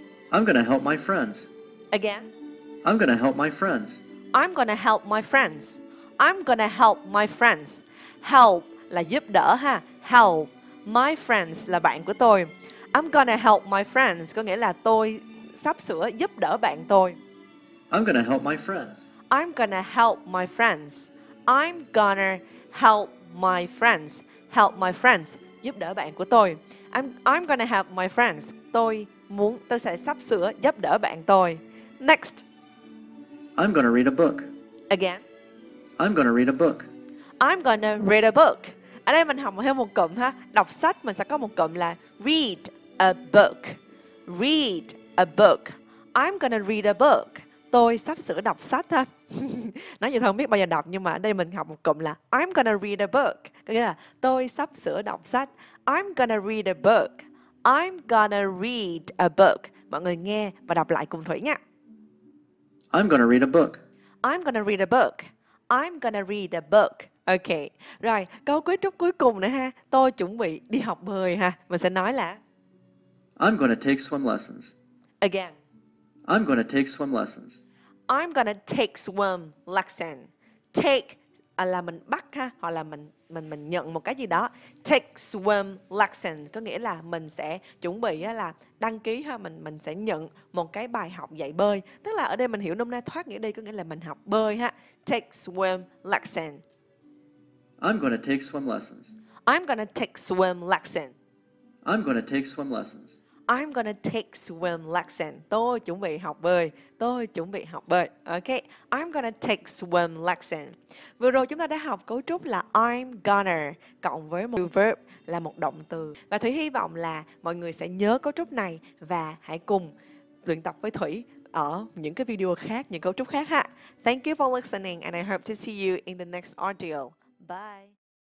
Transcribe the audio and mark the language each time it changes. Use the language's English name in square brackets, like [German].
[English] I'm gonna help my friends. Again. I'm gonna help my friends. I'm gonna help my friends. I'm gonna help my friends. Help [Vietnamese] là giúp đỡ ha. [English] Help my friends [Vietnamese] là bạn của tôi. [English] I'm gonna help my friends [Vietnamese] có nghĩa là tôi sắp sửa giúp đỡ bạn tôi. [English] I'm gonna help my friends. I'm gonna help my friends. I'm gonna help my friends. Help my friends, [Vietnamese] giúp đỡ bạn của tôi. [English] I'm gonna help my friends. [Vietnamese] Tôi sẽ sắp sửa giúp đỡ bạn tôi. [English] Next. I'm gonna read a book. Again. I'm gonna read a book. I'm gonna read a book. [Vietnamese] Ở đây mình học thêm một cụm ha. Đọc sách mình sẽ có một cụm là [English] read a book. Read a book. I'm gonna read a book. [Vietnamese] Tôi sắp sửa đọc sách ha. Nói vậy thôi không biết bao giờ đọc, nhưng mà ở đây mình học một cụm là [English] I'm gonna read a book. [Vietnamese] Có nghĩa là tôi sắp sửa đọc sách. [English] I'm gonna read a book. I'm gonna read a book. [Vietnamese] Mọi người nghe và đọc lại cùng Thủy nha. [English] I'm gonna read a book. I'm gonna read a book. I'm gonna read a book. Okay. [Vietnamese] Rồi, câu cuối trúc cuối cùng nữa ha. Tôi chuẩn bị đi học bơi ha. Mình sẽ nói là [English] I'm gonna take swim lessons. Again. I'm gonna take swim lessons. I'm gonna take swim lesson. [Vietnamese] Take là mình bắt ha, hoặc là mình nhận một cái gì đó. [English] Take swim lesson [Vietnamese] có nghĩa là mình sẽ chuẩn bị là đăng ký ha, mình sẽ nhận một cái bài học dạy bơi. Tức là ở đây mình hiểu nôm na thoát nghĩa đi có nghĩa là mình học bơi ha. [English] Take swim lesson. I'm gonna take swim lessons. I'm gonna take swim lesson. I'm gonna take swim lessons. I'm gonna take swim lesson. [Vietnamese] Tôi chuẩn bị học bơi. Tôi chuẩn bị học bơi. [English] Okay. I'm gonna take swim lesson. [Vietnamese] Vừa rồi chúng ta đã học cấu trúc là [English] I'm gonna [Vietnamese] cộng với một verb là một động từ. Và Thủy hy vọng là mọi người sẽ nhớ cấu trúc này và hãy cùng luyện tập với Thủy ở những cái video khác, những cấu trúc khác ha. [English] Thank you for listening and I hope to see you in the next audio. Bye.